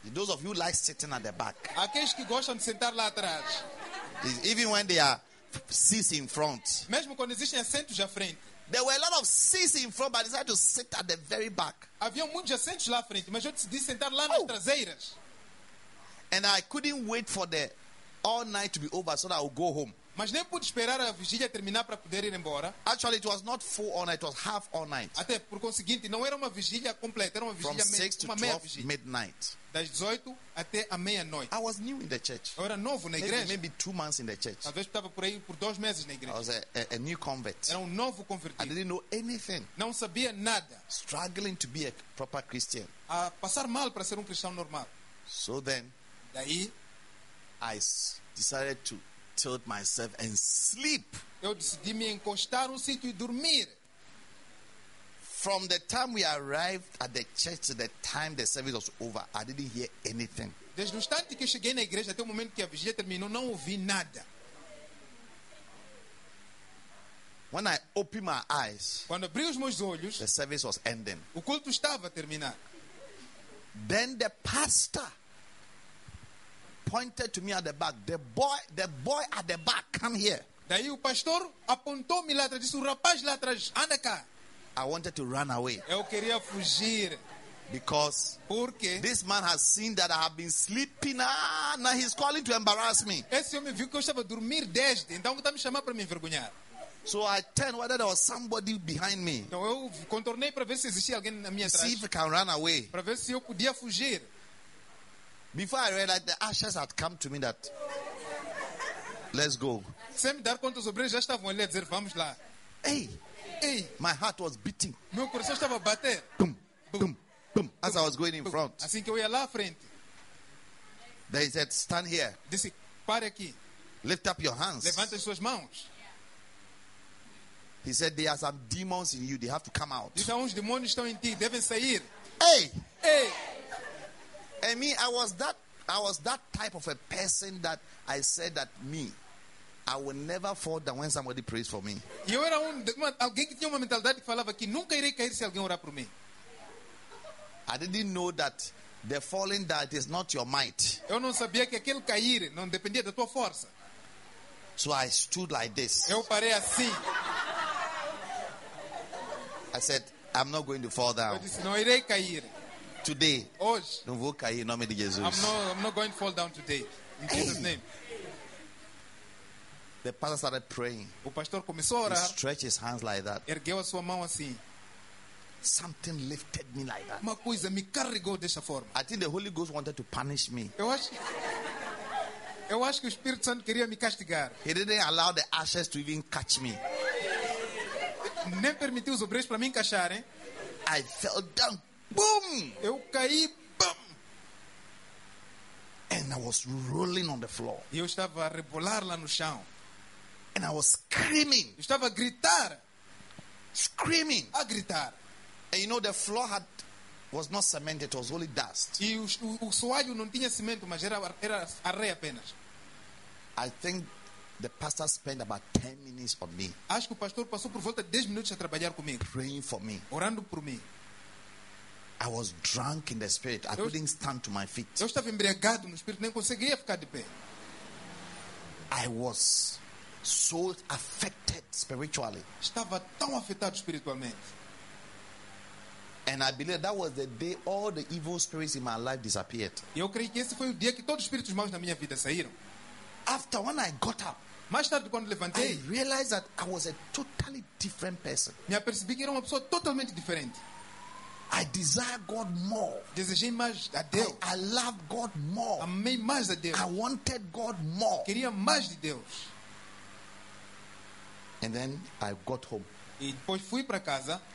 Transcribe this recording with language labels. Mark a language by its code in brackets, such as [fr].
[en] Those of you like sitting at the back. [pt] Aqueles que gostam de sentar lá atrás. [en] Even when they are seats in front. [pt] Mesmo quando existem assentos à frente. [en] There were a lot of seats in front, but I decided to sit at the very back. [pt] Havia muitos assentos lá à frente, mas eu decidi sentar lá nas traseiras. [en] And I couldn't wait for the all night to be over so that I would go home. [pt] Mas nem pude esperar a vigília terminar para poder ir embora. [en] Actually, it was not full all night, it was half all night. [pt] Até por conseguinte, não era uma vigília completa, era uma vigília [en] midnight. [pt] Das 18 até a meia-noite. [en] I was new in the church. [pt] Eu era novo na igreja. [en] Maybe 2 months in the church. [pt] Talvez estava por aí por 2 meses na igreja. [en] I was a new convert. [pt] Era novo convertido. [en] I didn't know anything. [pt] Não sabia nada. [en] Struggling to be a proper Christian. [pt] A passar mal para ser cristão normal. [en] So then, [pt] daí, [en] I decided to tilt myself and sleep. [pt] Eu decidi me encostar num sítio e dormir. [en] From the time we arrived at the church to the time the service was over, I didn't hear anything. [pt] Desde o instante que cheguei na igreja até o momento que a vigília terminou, não ouvi nada. [en] When I opened my eyes, [pt] quando abri os meus olhos, [en] the service was ending. [pt] O culto estava a terminar. [en] Then the pastor pointed to me at the back. The boy at the back, come here. [pt] Daí o pastor apontou-me lá atrás, disse, o rapaz lá atrás, anda cá. [en] I wanted to run away. [pt] Eu queria fugir. [en] Because this man has seen that I have been sleeping. Now he's calling to embarrass me. [pt] Esse homem viu que eu estava a dormir desde, então está me chamando para me envergonhar. [en] So I turned whether there was somebody behind me. [pt] Então eu contornei para ver se existia alguém na minha trás. [en] See if I can run away. [pt] Para ver se eu podia fugir. [en] Before I realized, the ushers had come to me that, let's go. [pt] Sem dar conta, os obreiros já estavam ali a dizer, vamos lá. [en] Hey, my heart was beating. [pt] Meu coração estava a bater. [en] Boom, boom, boom, as I was going in front. [pt] Assim que eu ia lá à frente. [en] They said, stand here. [pt] Disse, pare aqui. [en] Lift up your hands. [pt] Levanta as suas mãos. [en] He said, there are some demons in you, they have to come out. [pt] Disse, uns demônios estão em ti, devem sair. [en] Hey. And me, I was that type of a person that I said that me, I will never fall down when somebody prays for me. [pt] Eu era alguém que tinha uma mentalidade que falava que nunca irei cair se alguém orar por mim. [en] I didn't know that the falling that is not your might. [pt] Eu não sabia que aquele cair não dependia da tua força. [en] So I stood like this. [pt] Eu parei assim. [en] I said, I'm not going to fall down. [pt] Eu disse, não irei cair. [en] Today, [pt] hoje, não vou cair em nome de Jesus. [en] I'm not going to fall down today in Jesus' name. The pastor started praying. [pt] O pastor começou a orar. [en] He stretched his hands like that. [pt] Ergueu a sua mão assim. [en] Something lifted me like that. [pt] Uma coisa me carregou dessa forma. [en] I think the Holy Ghost wanted to punish me. [pt] Eu acho que o Espírito Santo queria me castigar. [en] He didn't allow the ashes to even catch me. [pt] Nem permitiu os obreiros para me encaixarem. [en] I fell down. Boom! [pt] Eu caí, bum! [en] And I was rolling on the floor. [pt] E eu estava a rebolar lá no chão. [en] And I was screaming. [pt] Eu estava a gritar. [en] Screaming. [pt] A gritar. [en] And you know the floor was not cemented, it was only dust. [pt] E o soalho não tinha cimento, mas era areia apenas. [en] I think the pastor spent about 10 minutes on me. [pt] Acho que o pastor passou por volta de 10 minutos a trabalhar comigo. [en] Praying for me. [pt] Orando por mim. [en] I was drunk in the spirit. I couldn't stand to my feet. [pt] Eu estava embriagado no espírito, nem conseguia ficar de pé. [en] I was so affected spiritually. [pt] Estava tão afetado espiritualmente. [en] And I believe that was the day all the evil spirits in my life disappeared. [pt] Eu creio que esse foi o dia que todos os espíritos maus na minha vida saíram. [en] After when I got up, [pt] mais tarde quando levantei, [en] I realized that I was a totally different person. [pt] Me apercebi que era uma pessoa totalmente diferente. [en] I desire God more. [pt] Desejei mais a Deus. [en] I love God more. [pt] Amei mais a Deus. [en] I wanted God more. [pt] Queria mais de Deus. [en] And then I got home. [pt] E depois fui para casa.